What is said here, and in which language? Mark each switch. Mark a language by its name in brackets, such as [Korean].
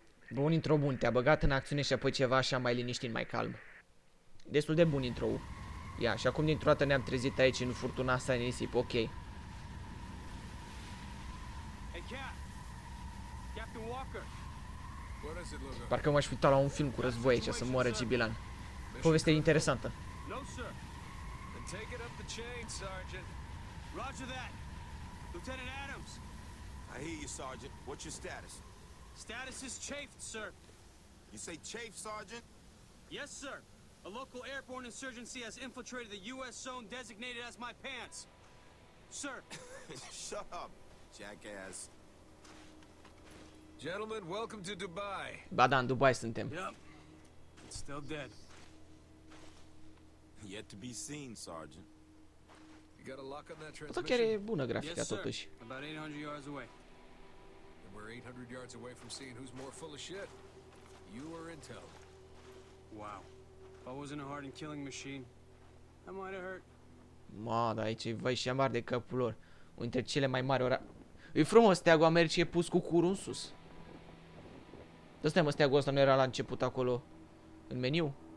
[Romanian] Bun intro, bun. Te-a băgat în acțiune și apoi ceva așa mai liniștit, mai calm. Destul de bun intro. Ia, și acum dintr-o dată ne-am trezit aici în furtuna asta în nisip. Ok. [English] Hey, Cap. Captain Walker. [Romanian] Parcă m-aș fi uitat la un film cu război aici, să moară Gibilan. Poveste interesantă. [English] No, sir. Then take it up the chain, Sergeant. Roger that. Lieutenant Adams. I hear you, Sergeant. What's your status? Status is chafed, sir. You say chafed, Sergeant? Yes, sir. A local airborne insurgency has infiltrated the U.S. zone designated as my pants. Sir. Shut up, jackass. Gentlemen, welcome to Dubai. [Romanian] Ba da, în Dubai suntem. [English] Yep. It's still dead. Yet to be seen, Sergeant. You got a lock on that transmission? [Romanian] Tot chiar e bună grafica, [English] yes, [Romanian] totuși. [English] About 800 yards away. And we're 800 yards away from seeing who's more full of shit. You or Intel. Wow. If I wasn't a hardened killing machine, I might have hurt. [Romanian] Ma, da, aici e vai și amar de capul lor. Unul cele mai mari ora... E frumos, steagul Americii e pus cu curul în sus. Dă stai mă, steagul ăsta nu era la început acolo în meniu?